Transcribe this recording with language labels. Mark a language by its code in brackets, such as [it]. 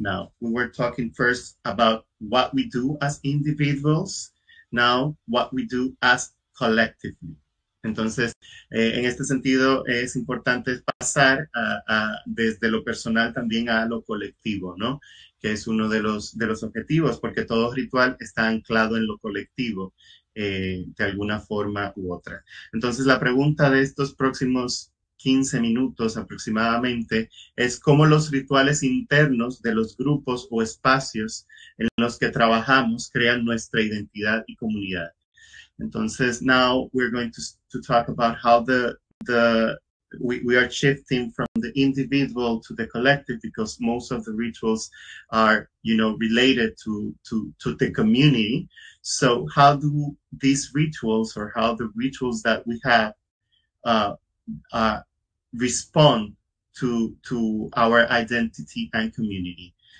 [en] Now we were talking first about what we do as individuals. Now, what we do as collectively. [es] Entonces, en este sentido, es importante pasar desde lo personal también a lo colectivo, ¿no? Que es uno de los objetivos, porque todo ritual está anclado en lo colectivo, de alguna forma u otra. Entonces, la pregunta de estos próximos 15 minutos aproximadamente es cómo los rituales internos de los grupos o espacios en los que trabajamos crean nuestra identidad y comunidad. Entonces, [en] now we're going to talk about how we are shifting from the individual to the collective, because most of the rituals are, you know, related to the community. So how do these rituals, or how the rituals that we have respond to our identity and community?